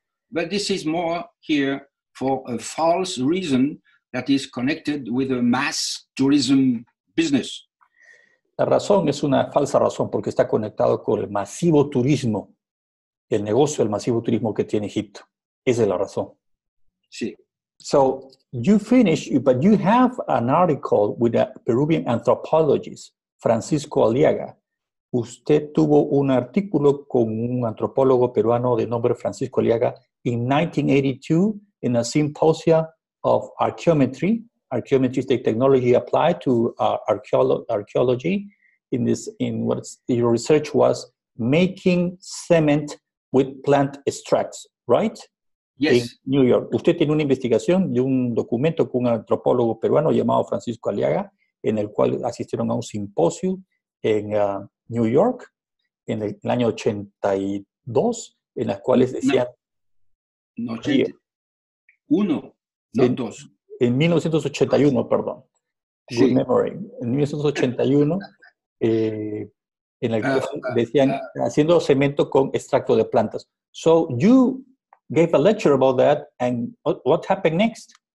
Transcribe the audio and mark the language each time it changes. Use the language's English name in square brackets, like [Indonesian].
[English] But this is more here for a false reason that is connected with a mass tourism business. [Spanish] La razón es una falsa razón porque está conectado con el masivo turismo, el negocio del masivo turismo que tiene Egipto. Esa es la razón. Sí. [English] So you finish, but you have an article with a Peruvian anthropologist, Francisco Aliaga. [Spanish] Usted tuvo un artículo con un antropólogo peruano de nombre Francisco Aliaga [English] in 1982 in a symposia of archaeometry. Archaeometry is the technology applied to archaeology. Your research was making cement with plant extracts, right? Yes. In New York. [Spanish] Usted tiene una investigación y un documento con un antropólogo peruano llamado Francisco Aliaga, en el cual asistieron a un simposio en New York en el año 82, en las cuales decían... En 1981, perdón. Sí. [English] Good memory. [Spanish] En 1981, en el que decían, haciendo cemento con extracto de plantas. [English] So, you gave a lecture about that, and what happened next?